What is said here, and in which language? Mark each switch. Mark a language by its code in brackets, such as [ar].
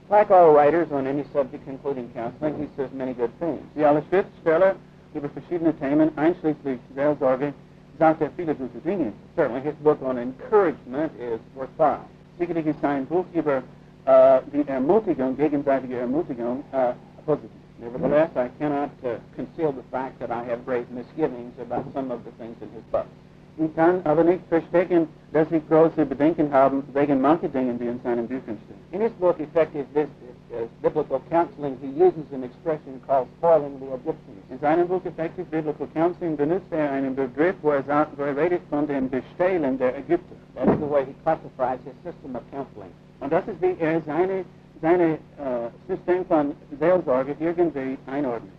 [en] Like all writers on any subject, including counseling, he says many good things. [de] Wie alle Schriftsteller über verschiedene Themen, einschließlich Seelsorge, sagt viele gute Dinge. [en] Certainly, his book on encouragement is worthwhile. [de] Sicherlich ist sein Buch über die Ermutigung, gegenseitige Ermutigung, positiv. [en] Nevertheless, I cannot conceal the fact that I have great misgivings about some of the things in his book. [de] Ich kann aber nicht verstecken, Dass Sie große Bedenken haben wegen Marketing in den seinen Büchern stehen. [en] In his book, Effective Biblical Counseling, he uses an expression called spoiling the Egyptians. [de] In seinem Buch, Effective Biblical Counseling, benutzt einen Begriff, wo redet von dem Bestehlen der Ägypter. [en] That's the way he classifies his system of counseling. [de] Und das ist wie seine System von Seelsorge irgendwie einordnet.